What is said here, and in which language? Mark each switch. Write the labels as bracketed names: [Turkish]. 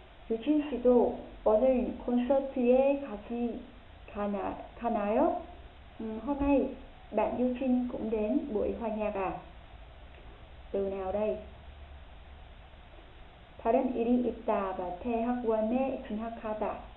[Korean] 유진 씨도 오늘 콘서트에 같이 가나요? [Vietnamese] Hôm nay bạn Yujin cũng đến buổi hòa nhạc à? Từ nào đây? [Korean] 다른 일이 있다 và 대학원에 진학하다.